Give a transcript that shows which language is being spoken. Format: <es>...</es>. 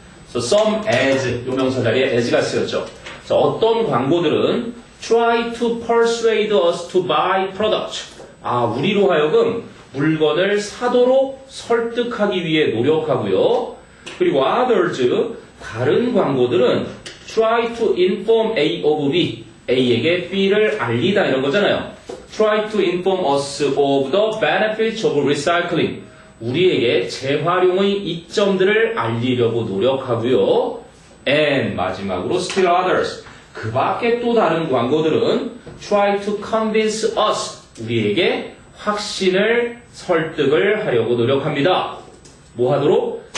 <ko>그래서 some as 이 명사 자리에 as가 쓰였죠. 그래서 어떤 광고들은</ko> <en>try to persuade us to buy products.</en> <ko>아, 우리로 하여금 물건을 사도록 설득하기 위해 노력하고요. 그리고</ko> <en>others,</en> <ko>다른 광고들은</ko> <en>try to inform A of B.</en> <ko>A에게 B를 알리다 이런 거잖아요.</ko> <en>Try to inform us of the benefits of recycling.</en> <ko>우리에게 재활용의 이점들을 알리려고 노력하고요.</ko> <en>And</en> <ko>마지막으로</ko> <en>still others.</en> <ko>그 밖에 또 다른 광고들은</ko> <en>try to convince us,</en> <ko>우리에게 확신을 설득을 하려고 노력합니다. 뭐 하도록?</ko>